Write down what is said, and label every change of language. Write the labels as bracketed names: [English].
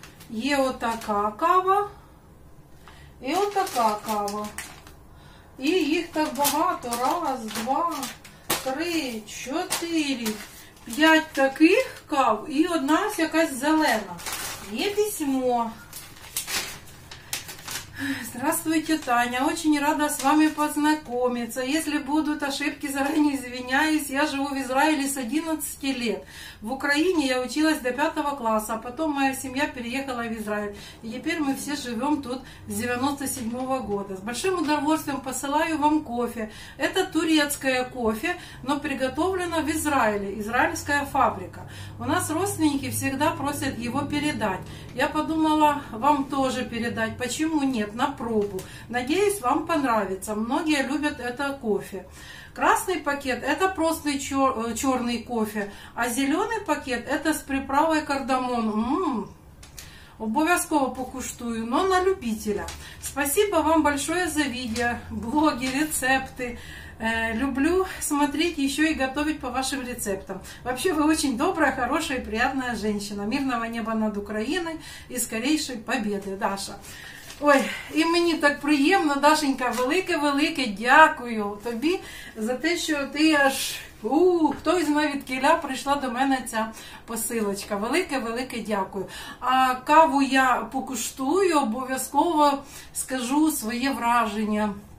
[Ukrainian] Є отака кава і отака кава. І їх так багато. Раз, два, три, чотири, п'ять таких кав і одна якась зелена. Є письмо. [Russian] Здравствуйте, Таня. Очень рада с вами познакомиться. Если будут ошибки, заранее извиняюсь. Я живу в Израиле с 11 лет. В Украине я училась до 5 класса. Потом моя семья переехала в Израиль. И теперь мы все живем тут с 97 года. С большим удовольствием посылаю вам кофе. Это турецкое кофе, но приготовлено в Израиле. Израильская фабрика. У нас родственники всегда просят его передать. Я подумала вам тоже передать. Почему нет? Нет, на пробу. Надеюсь, вам понравится. Многие любят это кофе. Красный пакет – это просто черный кофе, а зеленый пакет – это с приправой кардамон. [Ukrainian] Обов'язково покуштую, но на любителя. [Russian] Спасибо вам большое за видео, блоги, рецепты. Люблю смотреть еще и готовить по вашим рецептам. Вообще, вы очень добрая, хорошая и приятная женщина. Мирного неба над Украиной и скорейшей победы, Даша. [Ukrainian] Ой, і мені так приємно, Дашенька, велике-велике дякую тобі за те, що ти аж, хтось навіть киля прийшла до мене ця посилочка. Велике-велике дякую. А каву я покуштую, обов'язково скажу своє враження.